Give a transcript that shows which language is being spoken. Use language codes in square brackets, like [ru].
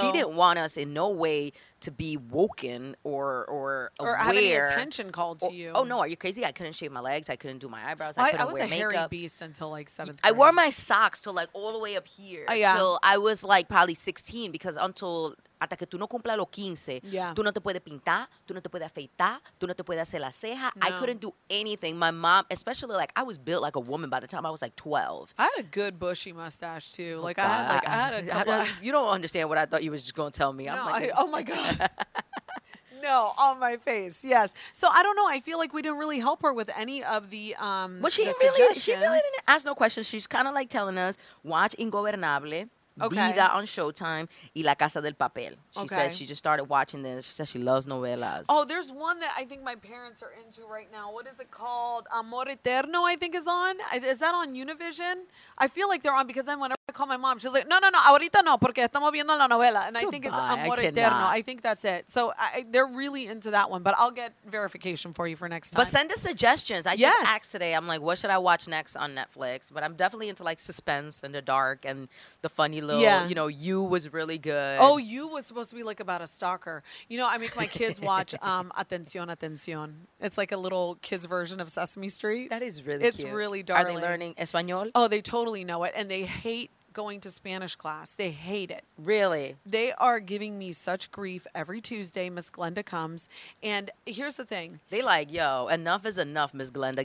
[en] she didn't want us in no way to be woken or aware. Or have any attention called to you. Oh, no. Are you crazy? I couldn't shave my legs. I couldn't do my eyebrows. I couldn't wear makeup. I was a hairy beast until like 7th grade. I wore my socks till like all the way up here. Oh, yeah. Till I was like probably 16 because until... [es] Hasta que tú no cumplas los 15, tú no te puedes pintar, tú no te puedes afeitar, tú no te puedes hacer la ceja. [en] No. I couldn't do anything. My mom, especially like, I was built like a woman by the time I was like 12. I had a good bushy mustache too. Like, I had a couple. You don't understand what I thought you was just going to tell me. No, I'm like, oh my God. No, on my face. Yes. So I don't know. I feel like we didn't really help her with any of the suggestions. She really didn't ask no questions. She's kind of like telling us, watch Ingobernable. Vida on Showtime y La Casa del Papel. She said she just started watching this. She said she loves novelas. Oh, there's one that I think my parents are into right now. What is it called? Amor Eterno, I think, is on. Is that on Univision? I feel like they're on because then whenever I call my mom, she's like, [es] no, no, no, ahorita no, porque estamos viendo la novela. [en] And goodbye. I think it's Amor Eterno. I think that's it. So they're really into that one, but I'll get verification for you for next time. But send us suggestions. I just asked today, I'm like, what should I watch next on Netflix? But I'm definitely into like suspense and the dark and the funny little, you know, You was really good. Oh, You was supposed to be like about a stalker. You know, I make my kids watch Atención, Atención. It's like a little kid's version of Sesame Street. That is really cute. It's really darling. Are they learning Espanol? Oh, they totally know it. And they hate going to Spanish class. They hate it. Really? They are giving me such grief every Tuesday. Miss Glenda comes. And here's the thing. They like, yo, enough is enough, Miss Glenda.